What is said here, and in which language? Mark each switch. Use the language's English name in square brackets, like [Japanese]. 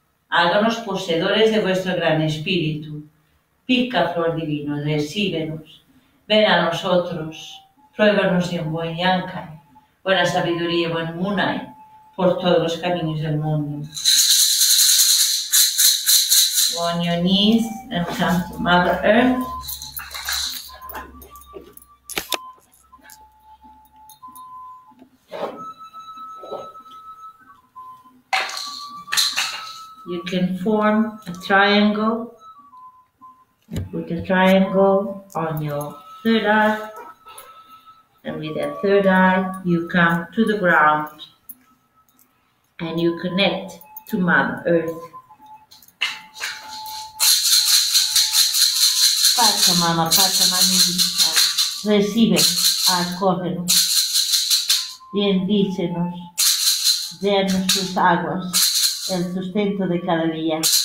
[Spanish] Háganos poseedores de vuestro gran espíritu. Pica flor divino, recíbenos. Ven a nosotros, pruébanos en buen yankai, buena sabiduría, buen munai, por todos los caminos del mundo. [English] On your knees and come to Mother Earth. You can form a triangle. Put a triangle on your third eye, and with that third eye, you come to the ground and you connect to Mother Earth. [Spanish] Pacha mama, pacha mami, recibe, acógenos, bendícenos, denos tus aguas, el sustento de cada día.